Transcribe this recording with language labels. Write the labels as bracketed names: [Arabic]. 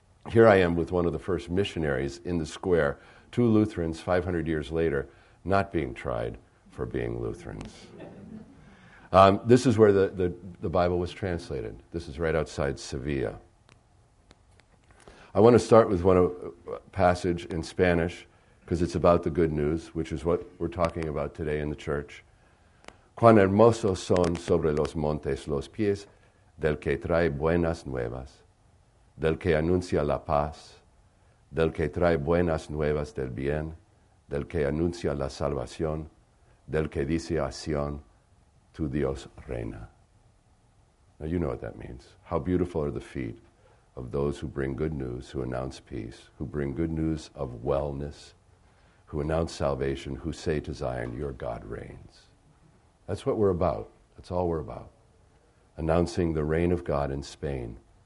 [English] Here I am with one of the first missionaries in the square, 2 Lutherans 500 years later, not being tried for being Lutherans. This is where the Bible was translated. This is right outside Sevilla. I want to start with one passage in Spanish because it's about the good news, which is what we're talking about today in the church. [Spanish] Cuán hermosos son sobre los montes los pies del que trae buenas nuevas, del que anuncia la paz, del que trae buenas nuevas del bien, del que anuncia la salvación, del que dice a Sion, tu Dios reina. [English] Now you know what that means. How beautiful are the feet of those who bring good news, who announce peace, who bring good news of wellness, who announce salvation, who say to Zion, your God reigns. That's what we're about. That's all we're about. Announcing the reign of God in Spain.